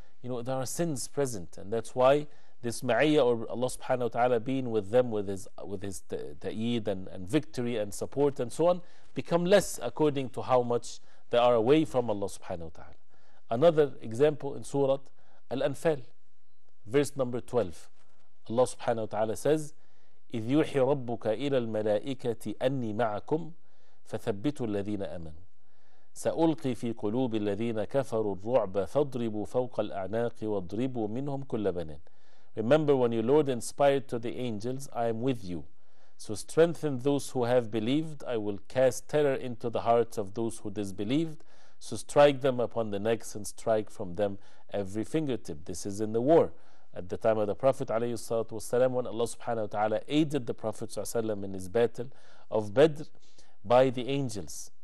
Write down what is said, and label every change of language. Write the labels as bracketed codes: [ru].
[en] You know, there are sins present, and that's why this ma'iyya, or Allah subhanahu wa ta'ala being with them with his ta'eed and victory and support and so on, become less according to how much they are away from Allah subhanahu wa ta'ala. Another example in Surah Al-Anfal, verse number 12. Allah subhanahu wa ta'ala says, [ar] إِذْ يُوحِي رَبُّكَ إِلَى الْمَلَائِكَةِ أَنِّي مَعَكُمْ فَثَبِّتُوا الَّذِينَ أَمَنُوا سَأُلْقِي فِي قُلُوبِ الَّذِينَ كَفَرُوا الرُّعْبَ فَاضْرِبُوا فَوْقَ الْأَعْنَاقِ وَاضْرِبُوا مِنْهُمْ كُلَّ بَنِينَ. [en] Remember, when your Lord inspired to the angels, I am with you. So strengthen those who have believed. I will cast terror into the hearts of those who disbelieved. So strike them upon the necks and strike from them every fingertip. This is in the war, at the time of the Prophet ﷺ, when Allah subhanahu wa ta'ala aided the Prophet ﷺ in his battle of Badr by the angels.